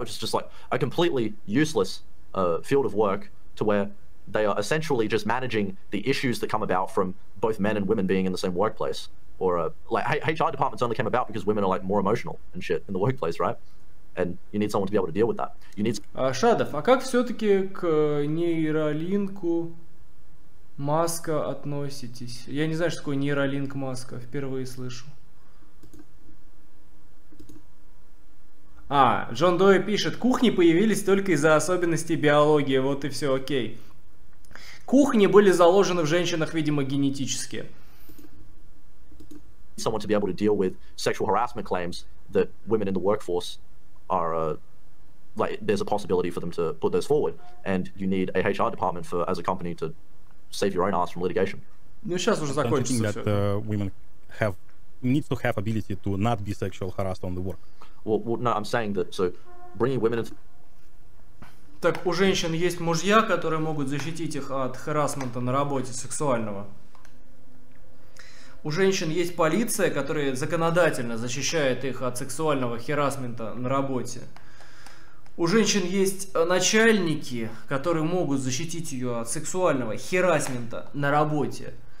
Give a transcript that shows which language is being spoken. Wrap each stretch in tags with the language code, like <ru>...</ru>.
<en>Which is just like a completely useless field of work to where they are essentially just managing the issues that come about from both men and women being in the same workplace. Or like HR departments only came about because women are like more emotional and shit in the workplace, right? And you need someone to be able to deal with that. You need.</en> <ru>Шадов, а как все-таки к нейролинку Маска относитесь? Я не знаю, что такое нейролинк Маска, впервые слышу. А, Джон Дой пишет: кухни появились только из-за особенностей биологии, вот и все, окей. Кухни были заложены в женщинах, видимо, генетически.</ru> <en>Someone to be able to deal with sexual harassment claims that women in the workforce are like there's a possibility for them to put those forward, and you need a HR department for as a company to save your own ass from litigation.</en> <ru>Ну сейчас уже закончится всё.</ru> <en>Don't you think that women need to have ability to not be sexual harassed on the work? Well, no, I'm saying that so bringing women into...</en> <ru>Так у женщин есть мужья, которые могут защитить их от харассмента на работе сексуального. У женщин есть полиция, которая законодательно защищает их от сексуального харассмента на работе. У женщин есть начальники, которые могут защитить ее от сексуального харассмента на работе.</ru>